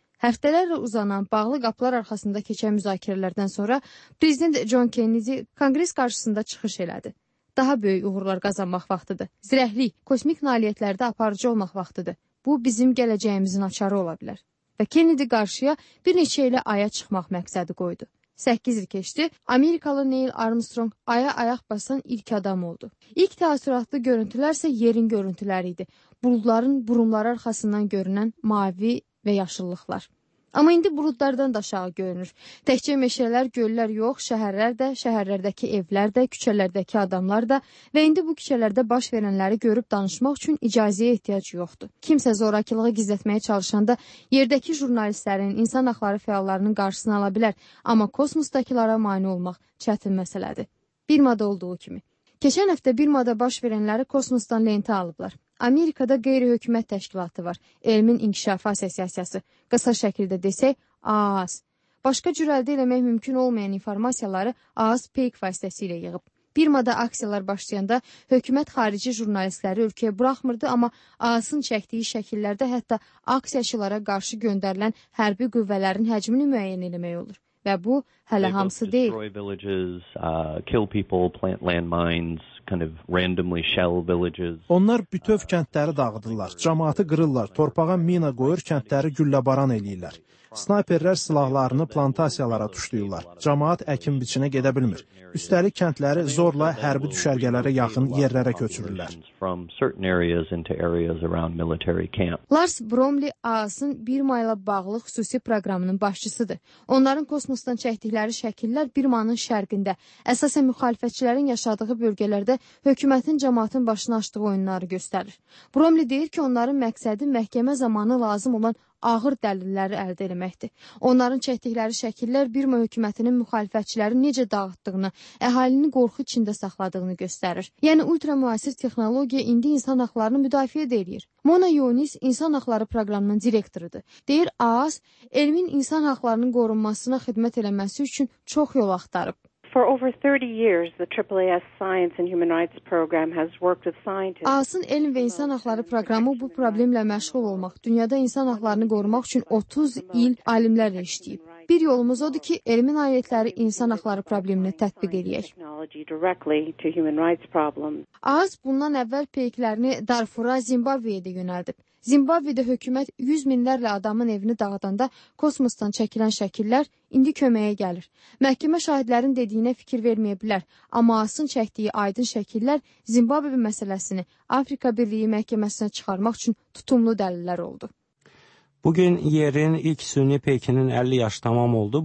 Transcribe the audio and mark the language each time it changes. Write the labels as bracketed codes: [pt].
[az] Həftələrlə uzanan bağlı qapılar arxasında keçən müzakirələrdən sonra Prezident John Kennedy Konqres qarşısında çıxış elədi. Daha böyük uğurlar qazanmaq vaxtıdır. Zirəhlik, kosmik nailiyyətlərdə aparıcı olmaq vaxtıdır. Bu, bizim gələcəyimizin açarı ola bilər. Və Kennedy qarşıya bir neçə ilə aya çıxmaq məqsədi qoydu. 8 il keçdi, Amerikalı Neil Armstrong aya ayaq basan ilk adam oldu. İlk təəssüratlı görüntülər isə yerin görüntüləri idi. Buludların burumları arxasından görünən mavi və yaşıllıqlar. Amma indi buludlardan da aşağı görünür. Təkcə meşələr, göllər yox, şəhərlər də, şəhərlərdəki evlər də, küçələrdəki adamlar da və indi bu küçələrdə baş verənləri görüb danışmaq üçün icazəyə ehtiyac yoxdur. Kimsə zorakılığı gizlətməyə çalışanda yerdəki jurnalistlərin, insan haqları fəallarının qarşısını ala bilər, amma kosmosdakılara mane olmaq çətin məsələdir. Birmada olduğu kimi. Keçən həftə Birmada baş verənləri kosmosdan lentə alıblar. Amerikada qeyri-hökumət təşkilatı var, Elmin İnkişafı Asosiasiyası, qısa şəkildə desək, AAS. Başqa cür əldə eləmək mümkün olmayan informasiyaları AAS PEK vasitəsilə yığıb. Birmada aksiyalar başlayanda hökumət xarici jurnalistləri ölkəyə buraxmırdı, amma AAS-ın çəkdiyi şəkillərdə hətta aksiyacılara qarşı göndərilən hərbi qüvvələrin həcmini müəyyən eləmək olur. Və bu, hələ hamısı deyil. [en] Destroy villages, kill people, plant landmines, kind of randomly shell villages. [az] Onlar bütöv kəndləri dağıdırlar, cəmaatı qırırlar, torpağa mina qoyur, kəndləri gülləbaran eləyirlər. Snayperlər silahlarını plantasiyalara tuşlayırlar. Cəmaat əkin biçinə gedə bilmir. Üstəlik kəndləri zorla hərbi düşərgələrə yaxın yerlərə köçürürlər. Lars Bromley AAS-ın Birma ilə bağlı xüsusi proqramının başçısıdır. Onların kosmosdan çəkdikləri şəkillər Birmanın şərqində, əsasən müxalifətçilərin yaşadığı bölgələrdə hökumətin cəmaatın başına açdığı oyunları göstərir. Bromley deyir ki, onların məqsədi məhkəmə zamanı lazım olan ağır dəlilləri əldə eləməkdir. Onların çəkdikləri şəkillər Birma hökumətinin müxalifətçiləri necə dağıtdığını, əhalini qorxu içində saxladığını göstərir. Yəni, ultramüasir texnologiya indi insan haqlarını müdafiə edir. Mona Yonis insan haqları proqramının direktorudur. Deyir, AAS elmin insan haqlarının qorunmasına xidmət eləməsi üçün çox yol axtarıb. [en] For over 30 years, the AAAS Science and Human Rights Program has worked with scientists. [az] AAS-ın Elm və İnsan Haqları Proqramı bu problemlə məşğul olmaq, dünyada insan haqlarını qorumaq üçün 30 il alimlərlə işləyib. Bir yolumuz odur ki, elmin ayətləri insan haqları probleminə tətbiq edək. AAS bundan əvvəl peyklərini Darfura, Zimbabveyə də yönəldib. Zimbabvedə hökumət 100 minlərlə adamın evini dağıdanda kosmosdan çəkilən şəkillər indi köməyə gəlir. Məhkəmə şahidlərin dediyinə fikir verməyə bilər, amma AAS-ın çəkdiyi aydın şəkillər Zimbabvə məsələsini Afrika Birliyi məhkəməsinə çıxarmaq üçün tutumlu dəlillər oldu. Bugün yerin ilk süni pekinin 50 yaş tamam oldu.